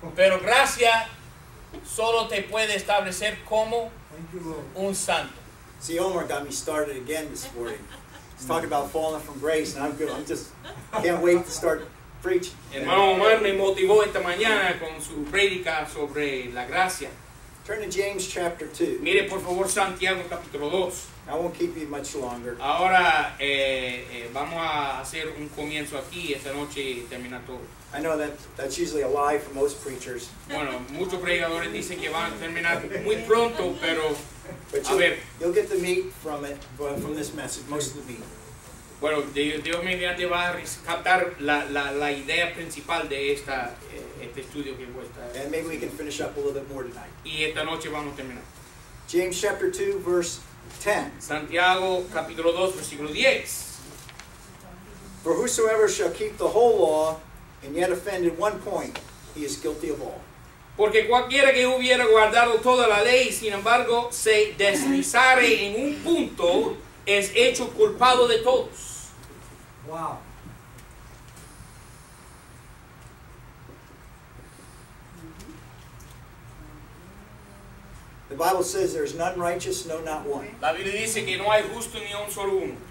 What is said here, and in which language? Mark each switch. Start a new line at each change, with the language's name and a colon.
Spanish: Pero gracia solo te puede establecer como un santo.
English: See, Omar got me started again this morning. He's talking about falling from grace, and I'm good. I'm just can't wait to start preaching.
Spanish: Hermano Omar me motivó esta mañana con su predica sobre la gracia.
English: Turn to James chapter 2.
Spanish: Mire, por favor, Santiago capítulo 2.
English: I won't keep you much longer.
Spanish: Ahora vamos a hacer un comienzo aquí esta noche y termina todo.
English: I know that's usually a lie for most preachers.
Spanish: Bueno, muchos predicadores dicen que van a terminar muy pronto, pero a ver.
English: You'll get the meat from it, from this message, most of the meat.
Spanish: Bueno, Dios mediante va a captar la idea principal de este estudio que voy a estar.
English: And maybe we can finish up a little bit more tonight.
Spanish: Y esta noche vamos a terminar.
English: James chapter 2, verse 10.
Spanish: Santiago capítulo 2, versículo 10.
English: For whosoever shall keep the whole law, and yet offended one point, he is guilty of all.
Spanish: Porque cualquiera que hubiera guardado toda la ley, sin embargo, se deslizare en un punto, es hecho culpado de todos.
English: Wow. The Bible says there is none righteous, no, not one.
Spanish: La Biblia dice que no hay justo ni un solo uno.